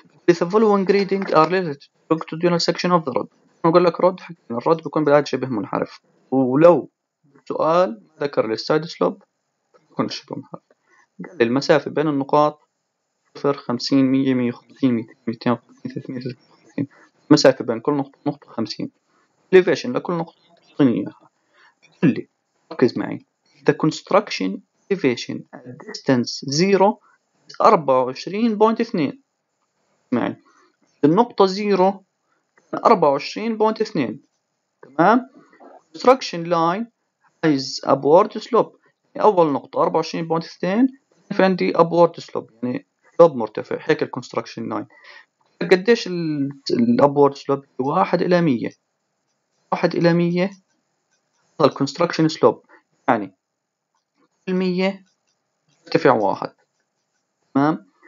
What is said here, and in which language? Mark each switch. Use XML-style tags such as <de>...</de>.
<en>With the following greeting are related to the longitudinal section of the rod.</en> <ar>نقول لك رود حق الرود بيكون بالعاده شبه منحرف. ولو سؤال ذكر للسايد سلوب بيكون شبه منحرف. قال المسافه بين النقاط 0 50 100 150 200 250 350. المسافه بين كل نقطه ونقطه 50. Elevation لكل نقطه تعطيني اياها. قل لي ركز معي.</ar> <en>The construction elevation at distance 0 24.2.</en> <ar>معي. النقطة 0 24.2 تمام.</ar> <en>construction line has upward slope.</en> <ar>أول نقطة 24.2 في عندي upward slope يعني slope مرتفع. هيك construction line قديش ال upward slope؟ 1 إلى 100 construction slope يعني 100 ارتفع 1 تمام.</ar>